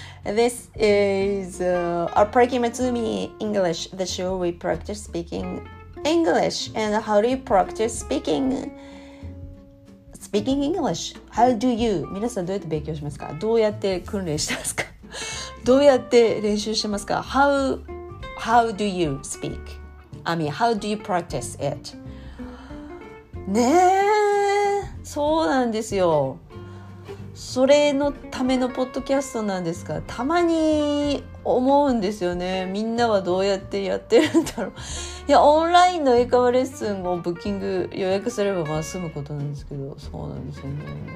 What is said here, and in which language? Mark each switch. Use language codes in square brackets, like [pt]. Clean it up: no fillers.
[en] This is Pragi Matsumi English, the show we practice speaking English. And how do you practice speaking English? How do you? [ja] 皆さんどうやって勉強しますか？どうやって訓練してますか？どうやって練習してますか？ [en] How do you speak? I mean, how do you practice it? [ja] ねえ、そうなんですよ。それのためのポッドキャストなんですか。たまに思うんですよね。みんなはどうやってやってるんだろう。いや、オンラインの英会話レッスンをブッキング予約すればまあ済むことなんですけど、そうなんですよね。